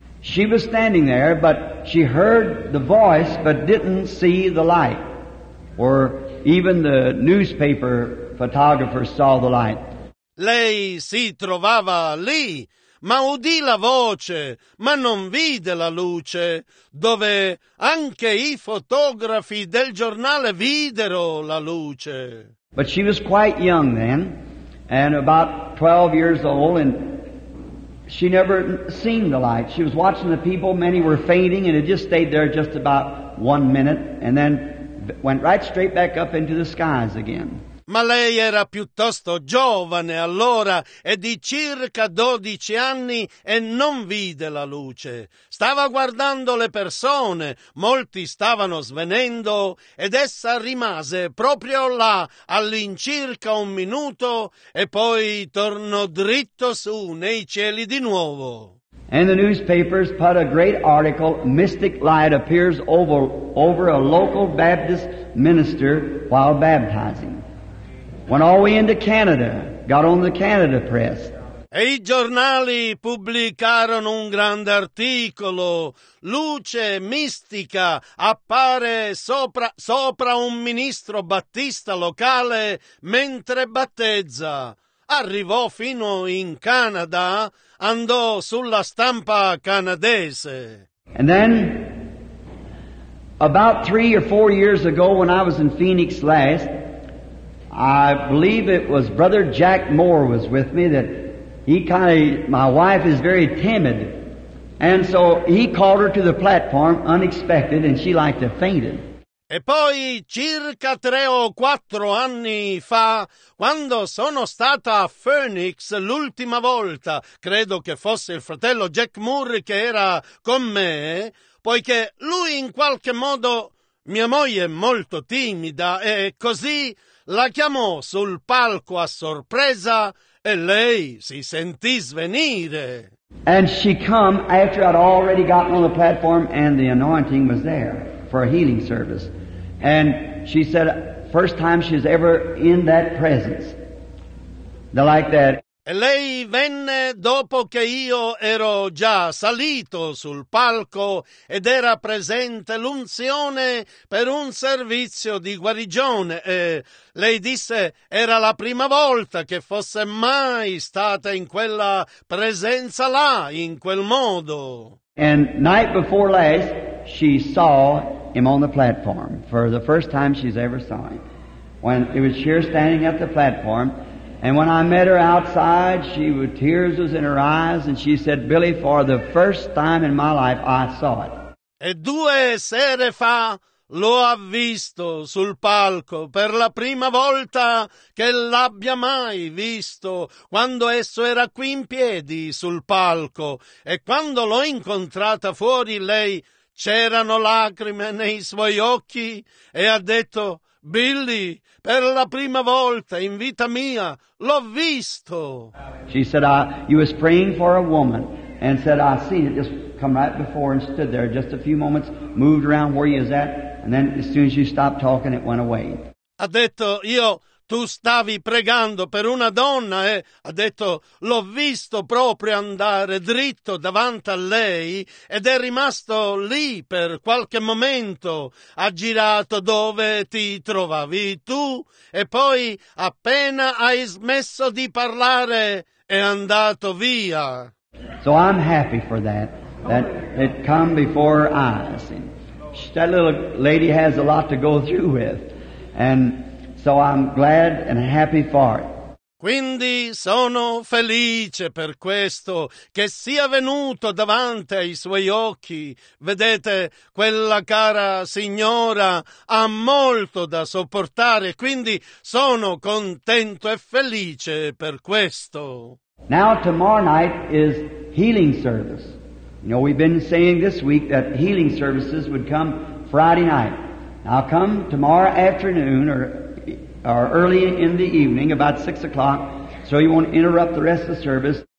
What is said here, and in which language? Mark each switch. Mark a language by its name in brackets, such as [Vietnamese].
[English] She was standing there, but she heard the voice, but didn't see the light, or even the newspaper. Photographer saw the light. [Italian] Lei si trovava lì, ma udì la voce, ma non vide la luce, dove anche i fotografi del giornale videro la luce. [English] But she was quite young then, and about 12 years old, and she never seen the light. She was watching the people, many were fainting, and it just stayed there just about 1 minute, and then went right straight back up into the skies again. [Italian] Ma lei era piuttosto giovane allora e di circa 12 anni e non vide la luce. Stava guardando le persone, molti stavano svenendo ed essa rimase proprio là all'incirca un minuto e poi tornò dritto su nei cieli di nuovo. [English] And the newspapers put a great article, Mystic Light Appears over a Local Baptist Minister While Baptizing. Went all the way into Canada, got on the Canada Press. [Italian] E i giornali pubblicarono un grande articolo. Luce mistica appare sopra un ministro battista locale mentre battezza. Arrivò fino in Canada, andò sulla stampa canadese. [English] And then, about 3 or 4 years ago, when I was in Phoenix last, I believe it was Brother Jack Moore was with me that he kind of, my wife is very timid. And so he called her to the platform unexpected and she liked to fainted. [Italian] E poi circa 3 o 4 anni fa, quando sono stata a Phoenix l'ultima volta, credo che fosse il fratello Jack Moore che era con me, poiché lui in qualche modo, mia moglie è molto timida, e così la chiamò sul palco a sorpresa e lei si sentì svenire. [English] And she come after I'd already gotten on the platform and the anointing was there for a healing service. And she said, first time she's ever in that presence. They like that. [Italian] E lei venne dopo che io ero già salito sul palco ed era presente l'unzione per un servizio di guarigione. E lei disse, era la prima volta che fosse mai stata in quella presenza là, in quel modo. [English] And night before last, she saw him on the platform for the first time she's ever saw him. When it was sheer standing at the platform, and when I met her outside, she was tears was in her eyes, and she said, Billy, for the first time in my life I saw it. [Italian] E 2 sere fa lo ha visto sul palco per la prima volta che l'abbia mai visto, quando esso era qui in piedi sul palco, e quando l'ho incontrata fuori lei, c'erano lacrime nei suoi occhi e ha detto, Billy, per la prima volta in vita mia l'ho visto. [English] She said, you was praying for a woman and said, I seen it just come right before and stood there just a few moments, moved around where you was at, and then as soon as you stopped talking, it went away. [Italian] Ha detto, tu stavi pregando per una donna e ha detto, l'ho visto proprio andare dritto davanti a lei ed è rimasto lì per qualche momento, ha girato dove ti trovavi tu e poi appena hai smesso di parlare è andato via. [English] So I'm happy for that, that it come before eyes. That little lady has a lot to go through with and so I'm glad and happy for it. [Italian] Quindi sono felice per questo che sia venuto davanti ai suoi occhi. Vedete, quella cara signora ha molto da sopportare, quindi sono contento e felice per questo. [English] Now tomorrow night is healing service. You know, we've been saying this week that healing services would come Friday night. Now come tomorrow afternoon or early in the evening, about 6 o'clock, so you won't interrupt the rest of the service.